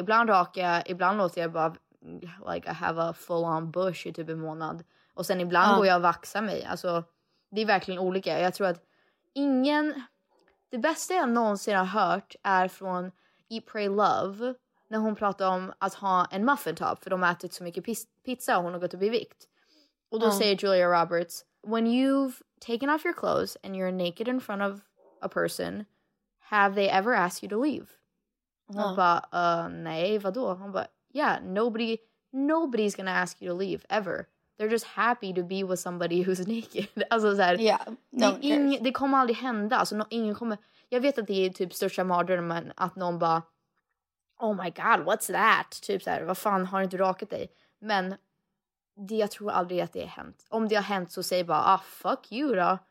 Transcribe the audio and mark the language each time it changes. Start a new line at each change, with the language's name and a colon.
Swedish: Ibland rakar jag, ibland låter jag bara
English: like I have a full on bush
Swedish: i typ en månad. Och sen ibland går jag och vaxar mig. Alltså, det är verkligen olika. Jag tror att ingen, det bästa jag någonsin har hört är från Eat Pray Love. När hon pratar om att ha en muffin top. För de har ätit så mycket pizza och hon har gått upp i vikt. Och då säger
English: Julia Roberts, when you've taken off your clothes and you're naked in front of a person, have they ever asked you to leave?
Swedish: Hon bara, nej, vadå? Hon bara,
English: yeah, nobody's gonna ask you to leave, ever. They're just happy to be with somebody who's naked.
Swedish: Alltså såhär, det kommer aldrig hända. Alltså, ingen kommer, jag vet att det är typ största mardrömmen att någon bara,
English: oh my god, what's that?
Swedish: Typ såhär, vad fan, har du inte rakat dig? Men det, jag tror aldrig att det har hänt. Om det har hänt så säger bara, ah,
English: fuck you
Swedish: då.